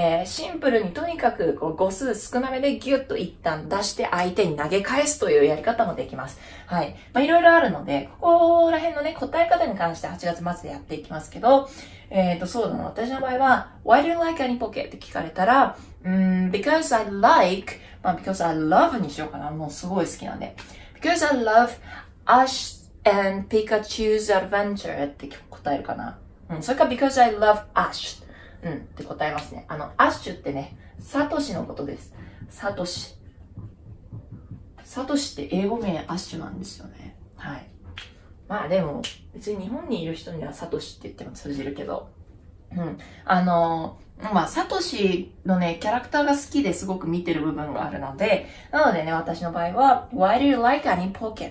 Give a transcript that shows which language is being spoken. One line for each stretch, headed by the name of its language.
Japanese: シンプルにとにかく、こう、語数少なめでギュッと一旦出して相手に投げ返すというやり方もできます。はい。まあ、いろいろあるので、ここら辺のね、答え方に関して8月末でやっていきますけど、そうだな。私の場合は、
English: Why do you like any pocket?
Japanese: って聞かれたら、
English: because I like,
Japanese: まあ、
English: because I love
Japanese: にしようかな。もうすごい好きなんで。
English: because I love Ash and Pikachu's Adventure
Japanese: って答えるかな。うん。それか、
English: because I love Ash。
Japanese: うん。って答えますね。 Ash ってね、サトシのことです。サトシ。サトシって英語名アッシュなんですよね。はい。まあでも、別に日本にいる人にはサトシって言っても通じるけど。うん。まあサトシのね、キャラクターが好きですごく見てる部分があるので、なのでね、私の場合は、
English: Why do you like
Japanese: アニポケ?